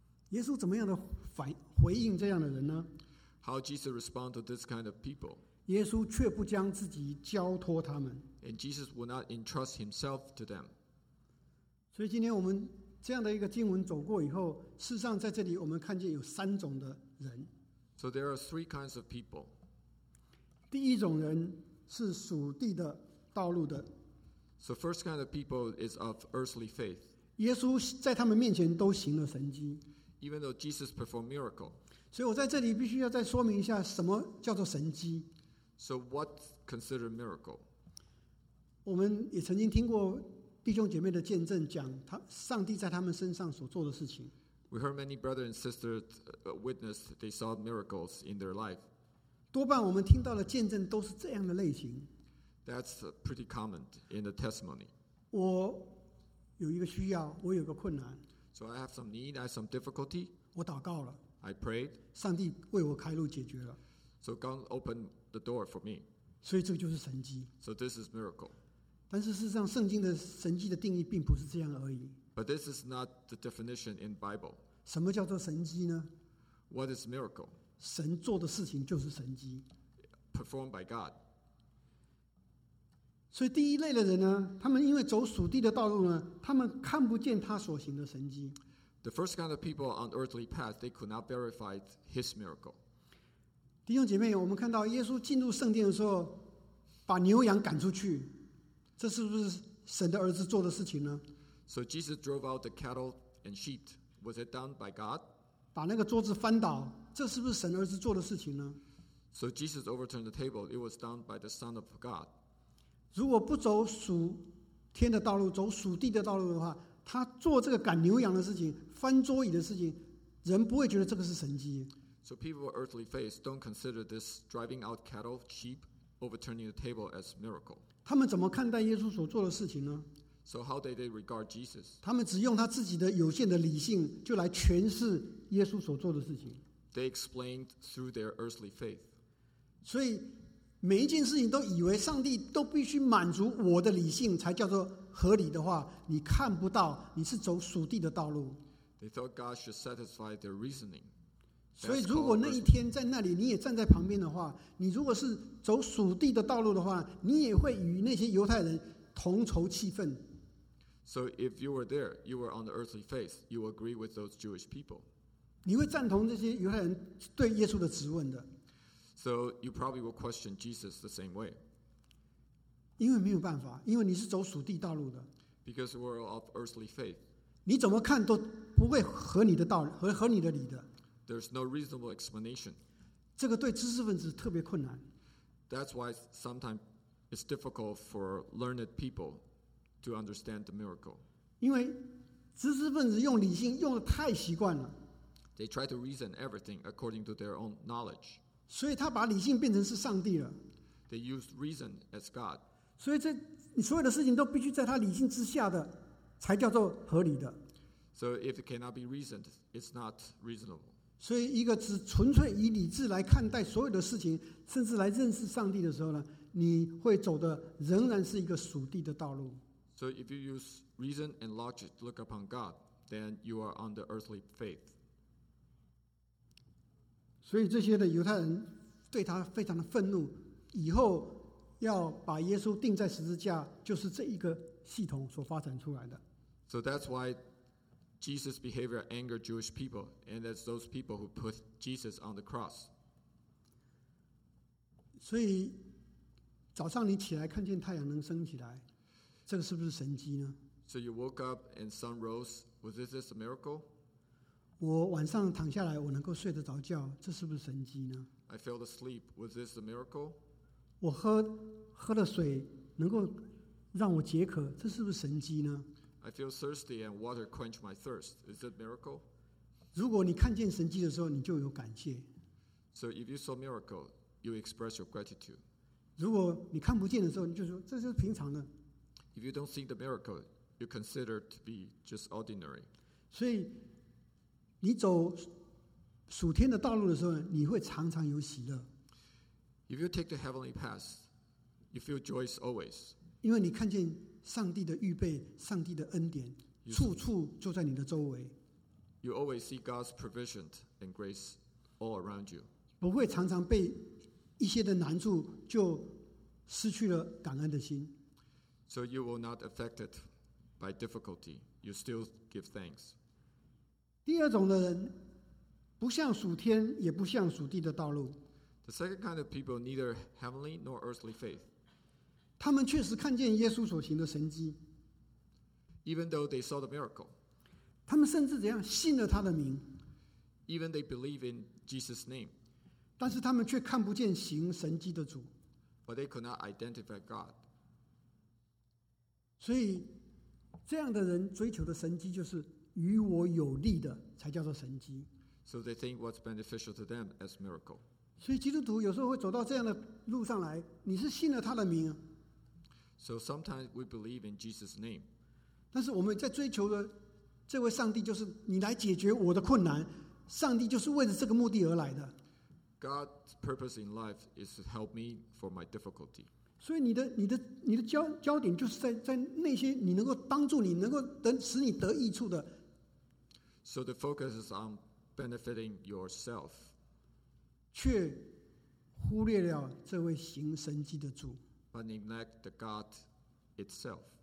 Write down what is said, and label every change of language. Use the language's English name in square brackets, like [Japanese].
[Chinese] 耶稣怎么样的回应这样的人呢？ [English] How Jesus respond to this kind of people? [Chinese] 耶稣却不将自己交托他们。 [English] And Jesus would not entrust himself to them. [Chinese] 所以今天我们这样的一个经文走过以后，事实上在这里我们看见有三种的人。 [English] So there are three kinds of people. [Chinese] 第一种人是属地的道路的。 [English] So first kind of people is of earthly faith. [Chinese] 耶稣在他们面前都行了神迹。 [English] Even though Jesus performed miracle. [Chinese] 所以我在这里必须要再说明一下什么叫做神迹。 [English] So what considered miracle? [Chinese] 我们也曾经听过弟兄姐妹的见证，讲他上帝在他们身上所做的事情。 [English] We heard many brothers and sisters witness they saw miracles in their life. [Chinese] 多半我们听到的见证都是这样的类型。 [English] That's pretty common in the testimony. [Chinese] 我有一个需要，我有个困难。 [English] So I have some need, I have some difficulty. [Chinese] 我祷告了。 [English] I prayed. [Chinese] 上帝为我开路解决了。 [English] So God opened the door for me. [Chinese] 所以这就是神迹。 [English] So this is miracle. [Chinese] 但是事实上，圣经的神迹的定义并不是这样而已。 [English] But this is not the definition in Bible. [Chinese] 什么叫做神迹呢？ [English] What is miracle? [Chinese] 神做的事情就是神迹。 [English] Performed by God. [Chinese] 所以第一类的人呢，他们因为走属地的道路呢，他们看不见他所行的神迹。 [English] The first kind of people on earthly path, they could not verify his miracle. [Chinese] 弟兄姐妹，我们看到耶稣进入圣殿的时候，把牛羊赶出去，这是不是神的儿子做的事情呢？ [English] So Jesus drove out the cattle and sheep. Was it done by God? [Chinese] 把那个桌子翻倒，这是不是神儿子做的事情呢？ [English] So Jesus overturned the table. It was done by the Son of God. [Chinese] 如果不走属天的道路，走属地的道路的话，他做这个赶牛羊的事情，翻桌椅的事情，人不会觉得这个是神迹。 [English] So people with earthly faith don't consider this driving out cattle, sheep, overturning the table as miracle. [Chinese] 他们怎么看待耶稣所做的事情呢？ [English] So how did they regard Jesus? [Chinese] 他们只用他自己的有限的理性就来诠释耶稣所做的事情。 [English] They explained through their earthly faith. [Chinese] 所以每一件事情都以为上帝都必须满足我的理性才叫做合理的话，你看不到你是走属地的道路。 [English] They thought God should satisfy their reasoning. [Chinese] 所以如果那一天在那里你也站在旁边的话，你如果是走属地的道路的话，你也会与那些犹太人同仇气愤。 [English] So if you were there, you were on the earthly faith, you agree with those Jewish people. [Chinese] 你会赞同这些犹太人对耶稣的质问的。 [English] So you probably will question Jesus the same way. [Chinese] 因为没有办法，因为你是走属地道路的。 [English] Because we're of earthly faith. [Chinese] 你怎么看都不会合你的道理，合你的理的。 [English] There's no reasonable explanation. [Chinese] 这个对知识分子特别困难。 [English] That's why sometimes it's difficult for learned people to understand the miracle. [Chinese] 因为知识分子用理性用得太习惯了。 [English] They try to reason everything according to their own knowledge. [Chinese] 所以他把理性变成是上帝了。 [English] They use reason as God. [Chinese] 所以这你所有的事情都必须在他理性之下的才叫做合理的。 [English] So if it cannot be reasoned, it's not reasonable. [Chinese] 所以一个只纯粹以理智来看待所有的事情，甚至来认识上帝的时候呢，你会走的仍然是一个属地的道路。 [English] So if you use reason and logic to look upon God, then you are on the earthly faith. [Chinese] 所以这些的犹太人对他非常的愤怒，以后要把耶稣钉在十字架，就是这一个系统所发展出来的。 [English] So that's why Jesus' behavior angered Jewish people, and that's those people who put Jesus on the cross. [Chinese] 所以早上你起来看见太阳能升起来，这个是不是神迹呢？ [English] So you woke up and sun rose. Was this a miracle? [Chinese] 我晚上躺下来，我能够睡得着觉，这是不是神迹呢？ [English] I fell asleep. Was this a miracle? [Chinese] 我喝了水，能够让我解渴，这是不是神迹呢？ [English] I feel thirsty and water quenched my thirst. Is it a miracle? [Chinese] 如果你看见神迹的时候，你就有感谢。 [English] So if you saw a miracle, you express your gratitude. [Chinese] 如果你看不见的时候，你就说这是平常的。 [English] If you don't see the miracle, you consider it to be just ordinary. [Chinese] 所以你走属天的道路的时候，你会常常有喜乐。 [English] If you take the heavenly path, you feel joyous always. [Chinese] 因为你看见上帝的预备，上帝的恩典，处处就在你的周围。 [English] You always see God's provision and grace all around you. [Chinese] 不会常常被一些的难处就失去了感恩的心。 [English] So you will not affect it by difficulty. You still give thanks. [Chinese] 第二种的人不像属天也不像属地的道路。 [English] The second kind of people neither heavenly nor earthly faith. [Chinese] 他们确实看见耶稣所行的神迹。 [English] Even though they saw the miracle. [Chinese] 他们甚至怎样信了他的名。 [English] Even they believe in Jesus' name. [Chinese] 但是他们却看不见行神迹的主。 [English] But they could not identify God. [Chinese] 所以这样的人追求的神迹就是与我有利的才叫做神迹。 [English] So they think what's beneficial to them as miracle. [Chinese] 所以基督徒有时候会走到这样的路上来，你是信了他的名。 [English] So sometimes we believe in Jesus' name. [Chinese] 但是我们在追求的这位上帝就是你来解决我的困难，上帝就是为了这个目的而来的。 [English] God's purpose in life is to help me for my difficulty. [Chinese] 所以你的 焦点就是 在那些你能够帮助你能够得使你得益处的。 [English] So the focus is on benefiting yourself. [Chinese] 却忽略了这位行神迹的主。 [English] But neglect the God itself.